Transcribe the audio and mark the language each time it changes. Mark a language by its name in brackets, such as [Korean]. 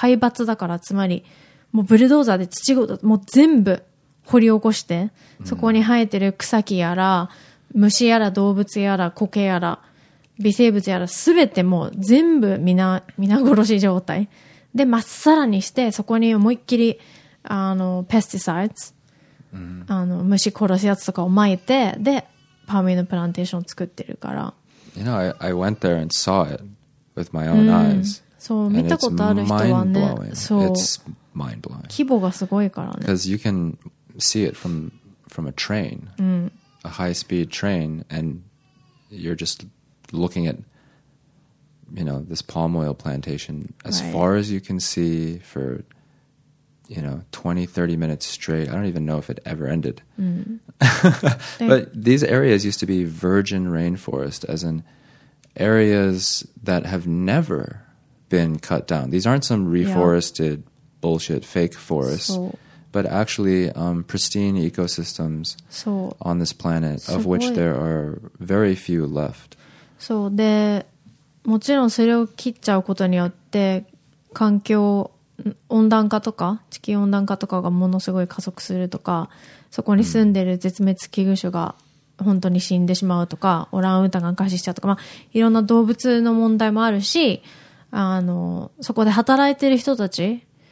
[Japanese] 海抜だから、つまりもうブルドーザーで土ごともう全部掘り起こして、そこに生えてる草木やら虫やら動物やら苔やら微生物やら全てもう全部皆殺し状態で、まっさらにして、そこに思いっきり、あの、ペスティサイズ、あの、虫殺すやつとかをまいて、で、パーム油のプランテーションを作ってるから。 [English] You know, I went there and saw it with my own eyes. [Japanese] そう、見たことある人はね、そう。 [English] It's mind-blowing. [Japanese] 規模がすごいからね。 [English] Because you can see it from a train, a high-speed train, and you're just looking at,you know, this palm oil plantation as far as you can see for, you know, 20, 30 minutes straight. I don't even know if it ever ended. But these areas used to be virgin rainforest, as in areas that have never been cut down. These aren't some reforested bullshit fake forests, but actually pristine ecosystems on this planet, of which there are very few left. So the... [Japanese] もちろんそれを切っちゃうことによって環境温暖化とか地球温暖化とかがものすごい加速するとか、そこに住んでる絶滅危惧種が本当に死んでしまうとか、オランウータンが餓死しちゃうとか、まあ、いろんな動物の問題もあるし、あのそこで働いてる人たち